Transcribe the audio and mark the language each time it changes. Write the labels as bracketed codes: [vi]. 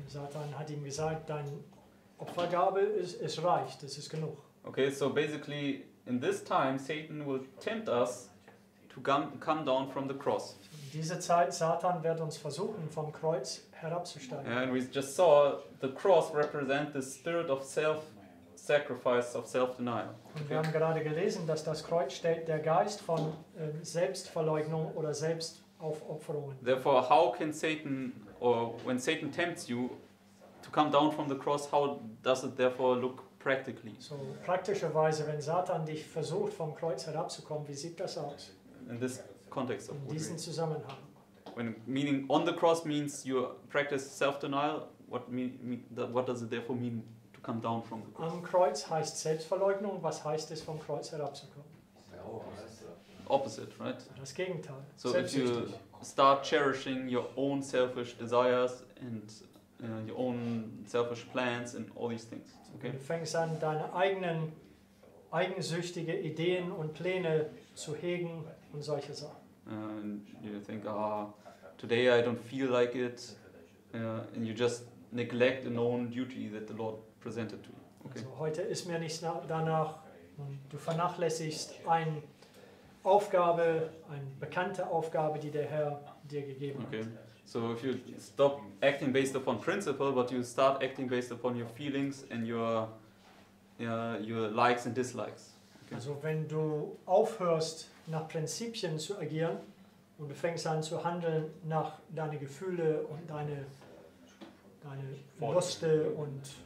[de] Satan hat ihm gesagt, dein Opfergabe ist es reicht, es ist genug. [en] Okay, so basically in this time Satan will tempt us to come down from the cross. [de] In dieser Zeit Satan wird uns versuchen vom Kreuz herabzusteigen. [en] And we just saw the cross represent the spirit of self sacrifice of self denial. [de] Und wir haben gerade gelesen, dass das Kreuz stellt der Geist von Selbstverleugnung oder Selbstaufopferung. [en] Therefore, how can Satan or when Satan tempts you to come down from the cross, how does it therefore look practically? [de] So praktischerweise, wenn Satan dich versucht vom Kreuz herabzukommen, wie sieht das aus? [en] In this context of [de] in diesem Zusammenhang. [en] When meaning on the cross means you practice self-denial, what does it therefore mean to come down from the cross? [de] Am Kreuz heißt Selbstverleugnung, was heißt es vom Kreuz herabzukommen? [en] Opposite, right? [de] Das Gegenteil. [en] So if you start cherishing your own selfish desires and your own selfish plans and all these things. Okay. [de] Du fängst an, deine eigensüchtige Ideen und Pläne zu hegen und solche Sachen. [en] And you think, today I don't feel like it. And you just neglect a known duty that the Lord presented to you. Okay. [de] Also, heute ist mir nicht danach. Du vernachlässigst eine Aufgabe, eine bekannte Aufgabe, die der Herr dir gegeben okay. hat. [en] So if you stop acting based upon principle, but you start acting based upon your feelings and your likes and dislikes. Okay. [de] Also wenn du aufhörst, nach Prinzipien zu agieren und du fängst an zu handeln nach deine Gefühle und deine Lüste und